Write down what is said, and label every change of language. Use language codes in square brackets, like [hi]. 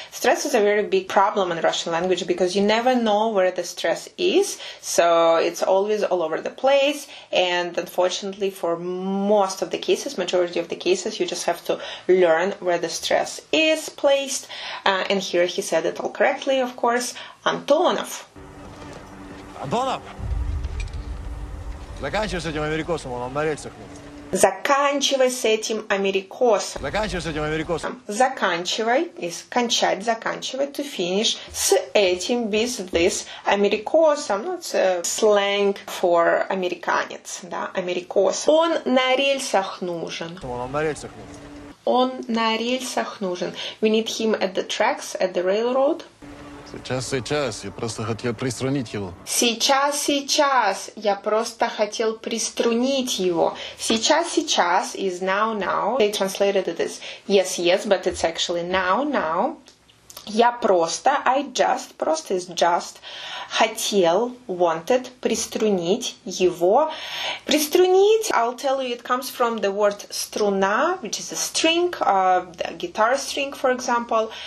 [en] Stress is a very big problem in Russian language because you never know where the stress is. So it's always all over the place. And unfortunately, for most of the cases, majority of the cases, you just have to learn where the stress is placed. And here he said it all correctly, of course. [ru] Антонов. Антонов. Заканчивай с этим америкосом, он на рельсах. Заканчивай с этим америкосом. Заканчивай с этим америкосом. Заканчивай is кончать, заканчивай [en] to finish [ru] с этим, [en] with this [ru] америкосом. [en] Ну, it's a slang for американец, да, америкос. [ru] Он на рельсах нужен. Он на рельсах нужен. Он на рельсах нужен. [en] We need him at the tracks, at the railroad. [ru] Сейчас, сейчас, я просто хотел приструнить его. Сейчас, сейчас, я просто хотел приструнить его. [en] Сейчас, сейчас is now, now. They translated it as yes, yes, but it's actually now, now. [ru] Я просто, [en] I just, [ru] просто [en] is just, [ru] хотел, wanted, приструнить его. [en] Приструнить, I'll tell you, it comes from the word струна, which is a string, a guitar string, for example.